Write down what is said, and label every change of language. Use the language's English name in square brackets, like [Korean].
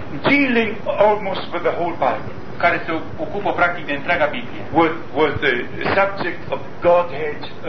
[English] Dealing almost with the whole Bible. [Romanian] Care se ocupă practic de întreaga Biblie. [English] With the subject of Godhead,